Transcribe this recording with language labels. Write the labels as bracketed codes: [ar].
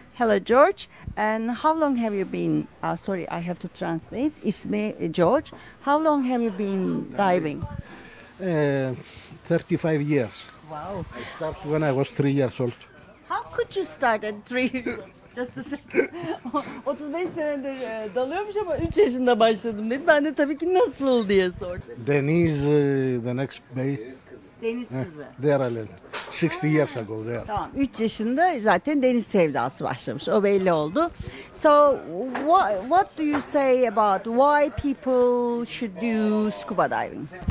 [en] Hello, George. And how long have you been, sorry, I have to translate, [tr] ismi George. [en] How long have you been diving? 35 years. Wow. I started when I was 3 years old. How could you start at 3 years? Just a second. [tr] 35 senedir dalıyormuş ama 3 yaşında başladım dedi. Ben de tabii ki nasıl diye sordum. [en] Denise, the next bay. [tr] Deniz kızı. [en] There I learned. 60 years ago there. [tr] Tamam. 3 yaşında zaten deniz sevdası başlamış. O belli oldu. [en] So what do you say about why people should do scuba diving?